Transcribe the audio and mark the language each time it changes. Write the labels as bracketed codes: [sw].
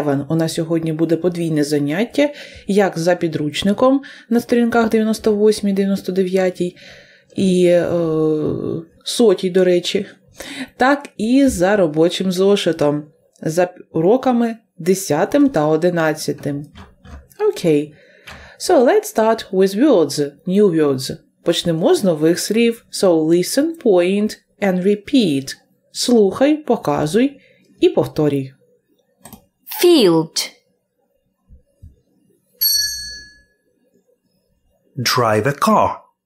[uk] У нас сьогодні буде подвійне заняття, як за підручником на сторінках 98-99 і 100, до речі, так і за робочим зошитом, за уроками 10 та 11. Окей. [en] Okay. So, let's start with words, new words. [uk] Почнемо з нових слів. [en] So, listen, point and repeat. [uk] Слухай, показуй і повторюй. [en] Field. Drive a car.